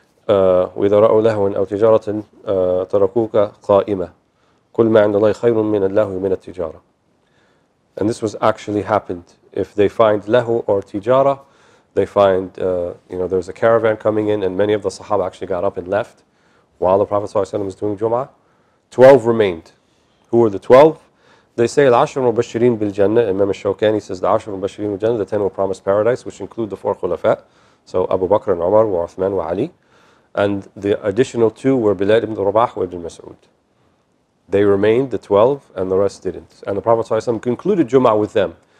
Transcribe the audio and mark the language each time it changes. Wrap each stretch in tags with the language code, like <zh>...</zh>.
<ar>وَإِذَا رَأُوا لَهْوًا أَوْ تِجَارَةً تَرَكُوكَ قَائِمًا قُلْ مَا عِنْدَ اللَّهِ خَيْرٌ مِنَ اللَّهُ مِنَ التِّجَارَةِ.</ar> <en>And this was actually happened. If they find lahu or tijara, they find, you know, there's a caravan coming in, and many of the Sahaba actually got up and left while the Prophet ﷺ was doing Jum'ah. 12 remained. Who were the 12? They say,</en> <ar>الْعَشْرُ مُبَشِّرِينَ بِالْجَنَّةِ.</ar> <en>Imam al-Shawkani says, the 10</en> <ar>مُبَشِّرِينَ بِالْجَنَّةِ,</ar> <en>the 10 will promise paradise, which include the 4 khulafa. So Abu Bakr and Umar, wa Uthman wa Ali. And the additional 2 were Bilal ibn Rabah wa ibn Mas'ud. They remained, the 12, and the rest didn't. And the Prophet ﷺ concluded Jum'ah with them.</en>